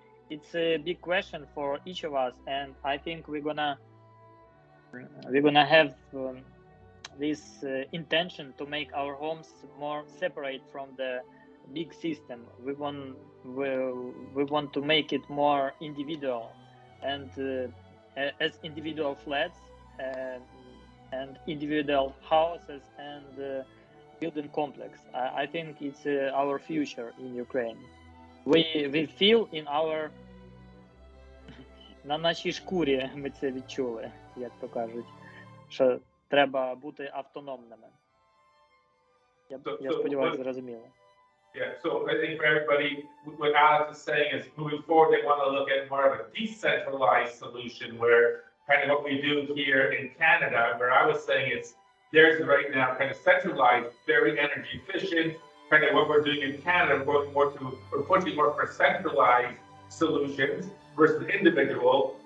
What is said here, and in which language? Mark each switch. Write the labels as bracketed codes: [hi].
[en] It's a big question for each of us, and I think we're gonna have this intention to make our homes more separate from the big system. We want to make it more individual, and as individual flats and individual houses and building complex. I think it's our future in Ukraine. We feel in our [uk] на нашій шкурі ми це відчули, як то кажуть, що треба бути автономними. Я сподіваюся, зрозуміло. [en] Yeah, so I think for everybody, what Alex is saying is moving forward, they want to look at more of a decentralized solution where kind of what we do here in Canada, where I was saying it's there's right now kind of centralized, very energy efficient, kind of what we're doing in Canada, we're pushing more for centralized solutions versus individual.